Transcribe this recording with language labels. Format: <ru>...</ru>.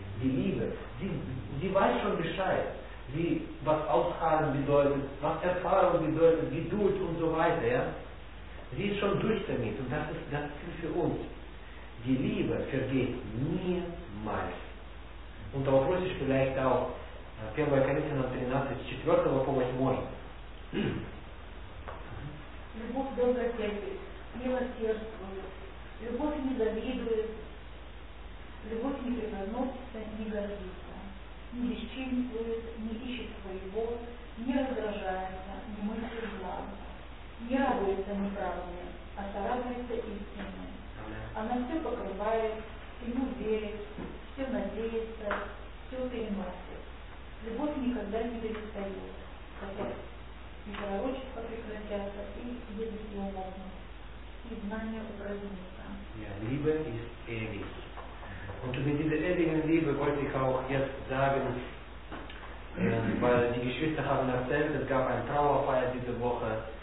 <de>Die Liebe, sie weiß schon Bescheid. Wie, was Ausharren bedeutet, was Erfahrung bedeutet, Geduld und so weiter, ja. Sie ist schon durch damit und das ist für uns. Die Liebe vergeht niemals. Und auf Russisch vielleicht auch, 1. Korinther 13, 4. auf 8.</de> <ru>Любовь добротерпит, милосердствует, любовь не завидует, любовь не превозносится, не гордится, не бесчинствует, не ищет своего, не раздражается, не мыслит зла, не радуется неправдой, а сорадуется истиной. Она все покрывает, всему верит, все надеется, все переносит. Любовь никогда не перестает, хотя и пророчества прекратятся, и если все можно.</ru> <de>Ja, Liebe ist ewig. Und mit dieser ewigen Liebe wollte ich auch jetzt sagen, weil die Geschwister haben erzählt, es gab eine Trauerfeier diese Woche.</de>